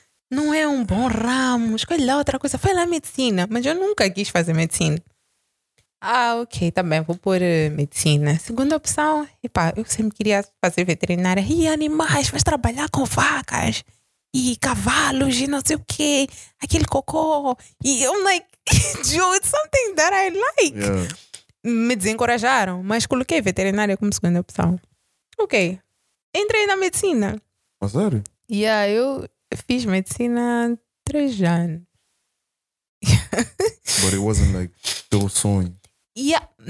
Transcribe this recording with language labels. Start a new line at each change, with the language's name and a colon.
Portuguese: Não é um bom ramo, escolha outra coisa. Foi lá medicina, mas eu nunca quis fazer medicina. Ah, ok, tá bem, vou pôr medicina. Segunda opção, epa, eu sempre queria fazer veterinária. E animais, vais trabalhar com vacas e cavalos e não sei o quê. Aquele cocô. E eu,
English: like, dude, it's something that I like. Yeah.
Portuguese: Me desencorajaram, mas coloquei veterinária como segunda opção. Ok, entrei na medicina. A sério? Yeah, eu... Fiz medicina 3 anos.
English: But it wasn't like
Portuguese: teu sonho.
English: Yeah.